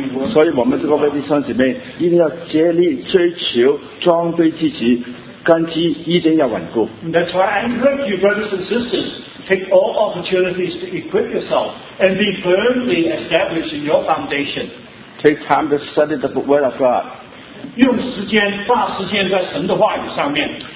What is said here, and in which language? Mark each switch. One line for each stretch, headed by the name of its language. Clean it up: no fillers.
Chinese: 所以我们这个弟兄姊妹一定要竭力追求装备自己，根基一定要稳固。
English: That's why I encourage you, brothers and sisters, take all opportunities to equip yourself and be firmly established in your foundation. Take time to study the Word of God.
Chinese: 用时间，花时间在神的话语上面。